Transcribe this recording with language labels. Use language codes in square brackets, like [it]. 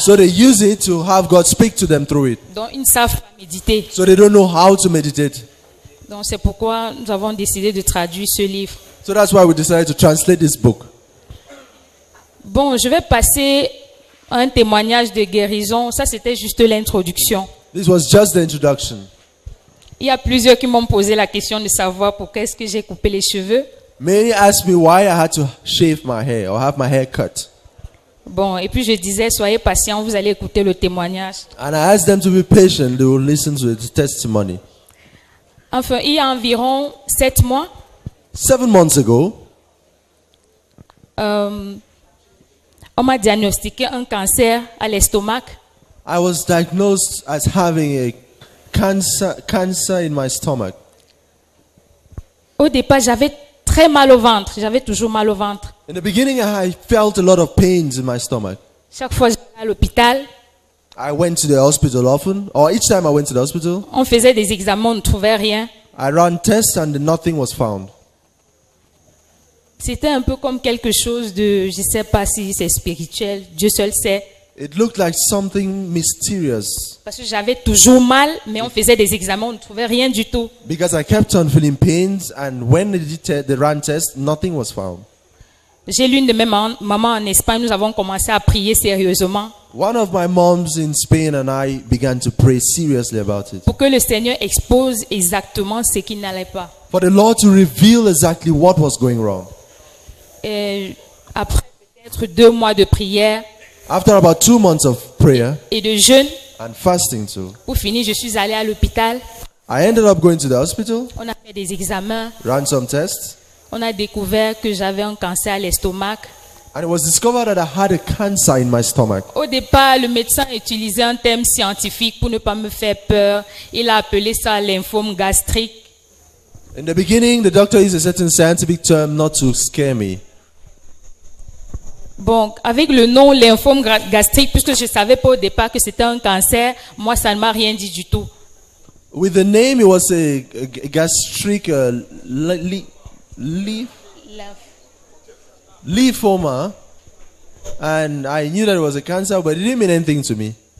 [en] So they use it to have God speak to them through it. [fr] Donc, ils ne savent pas méditer. [en] So they don't know how to meditate. [fr] Donc, c'est pourquoi nous avons décidé de traduire ce livre. [en] So that's why we decided to translate this book. [fr] Bon, je vais passer un témoignage de guérison. Ça, c'était juste l'introduction. [en] This was just the introduction. [fr] Il y a plusieurs qui m'ont posé la question de savoir pourquoi est-ce que j'ai coupé les cheveux. [en] Many asked me why I had to shave my hair or have my hair cut. [fr] Bon, et puis je disais, soyez patients, vous allez écouter le témoignage. [en] And I asked them to be patient, they will listen to the testimony. [fr] Enfin, il y a environ 7 mois. [en] 7 months ago. [fr] On m'a diagnostiqué un cancer à l'estomac. [en] I was diagnosed as having a cancer in my stomach. [fr] Au départ, j'avais très mal au ventre. J'avais toujours mal au ventre. [en] In the beginning, I felt a lot of pains in my stomach. [fr] Chaque fois que j'allais à l'hôpital, [en] I went to the hospital often, or each time I went to the hospital. [fr] On faisait des examens, on ne trouvait rien. [en] I ran tests and nothing was found. [fr] C'était un peu comme quelque chose de, je ne sais pas si c'est spirituel, Dieu seul sait. [en] It looked like something mysterious. [fr] Parce que j'avais toujours mal, mais on faisait des examens, on ne trouvait rien du tout. [en] Because I kept on feeling pains, and when they ran tests, nothing was found. [fr] J'ai l'une de mes mamans en Espagne, nous avons commencé à prier sérieusement. [en] One of my moms in Spain and I began to pray seriously about it. [fr] Pour que le Seigneur expose exactement ce qui n'allait pas. [en] For the Lord to reveal exactly what was going wrong. [fr] Et après peut-être 2 mois de prière. [en] After about 2 months of prayer. [fr] Et de jeûne. [en] And fasting too. [fr] Pour finir, je suis allé à l'hôpital. [en] I ended up going to the hospital. [fr] On a fait des examens. [en] Ran some tests. [fr] On a découvert que j'avais un cancer à l'estomac. [en] And it was discovered that I had a cancer in my stomach. [fr] Au départ, le médecin utilisait un terme scientifique pour ne pas me faire peur. Il a appelé ça lymphome gastrique. [en] In the beginning, the doctor used a certain scientific term not to scare me. [fr] Bon, avec le nom lymphome gastrique, puisque je savais pas au départ que c'était un cancer, moi ça ne m'a rien dit du tout. [en] With the name, it was a gastric lymphoma, and I knew that it was a cancer, but it didn't mean anything to me.